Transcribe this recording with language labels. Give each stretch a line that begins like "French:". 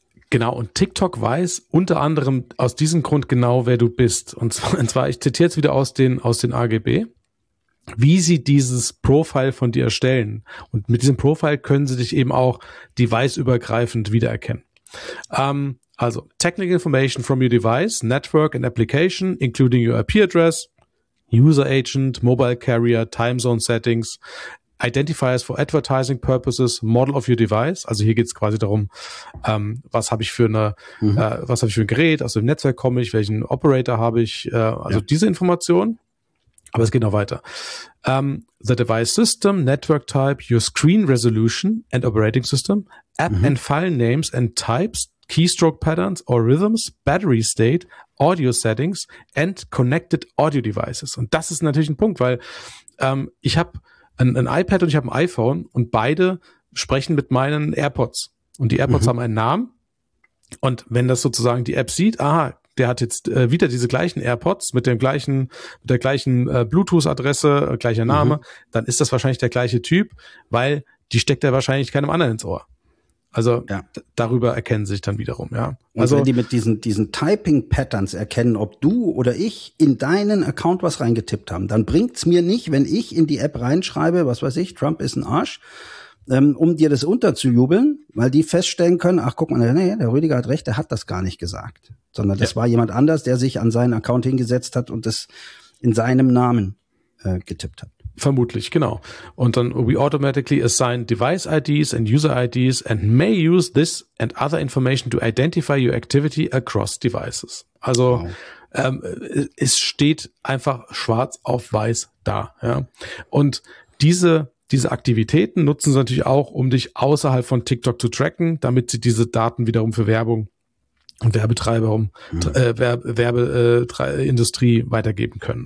German: Genau, und TikTok weiß unter anderem aus diesem Grund genau, wer du bist. Und zwar, ich zitiere jetzt wieder aus den AGB. Wie sie dieses Profile von dir erstellen. Und mit diesem Profile können sie dich eben auch deviceübergreifend wiedererkennen.
English: Also, technical information from your device, network and application, including your IP address, user agent, mobile carrier, time zone settings, identifiers for advertising purposes, model of your device.
German: Also hier geht es quasi darum, was habe ich für ein Gerät, aus welchem Netzwerk komme ich, welchen Operator habe ich, diese Informationen. Aber es geht noch weiter.
English: The device system, network type, your screen resolution and operating system, app and file names and types, keystroke patterns or rhythms, battery state, audio settings and connected audio devices.
German: Und das ist natürlich ein Punkt, weil ich habe ein iPad und ich habe ein iPhone und beide sprechen mit meinen AirPods. Und die AirPods haben einen Namen. Und wenn das sozusagen die App sieht, aha, der hat jetzt wieder diese gleichen AirPods mit dem gleichen, mit der gleichen Bluetooth-Adresse, gleicher Name, dann ist das wahrscheinlich der gleiche Typ, weil die steckt er wahrscheinlich keinem anderen ins Ohr. Also darüber erkennen sich dann wiederum, ja. Und also, wenn die mit diesen Typing-Patterns erkennen, ob du oder ich in deinen Account was reingetippt haben, dann bringt's mir nicht, wenn ich in die App reinschreibe, was weiß ich, Trump ist ein Arsch, um dir das unterzujubeln, weil die feststellen können, ach guck mal, nee, der Rüdiger hat recht, der hat das gar nicht gesagt. Sondern das war jemand anders, der sich an seinen Account hingesetzt hat und das in seinem Namen getippt hat. Vermutlich, genau. Und dann,
English: we automatically assign device IDs and user IDs and may use this and other information to identify your activity across devices.
German: Also, es steht einfach schwarz auf weiß da. Ja. Und diese Aktivitäten nutzen sie natürlich auch, um dich außerhalb von TikTok zu tracken, damit sie diese Daten wiederum für Werbung und Werbetreiber Werbeindustrie weitergeben können.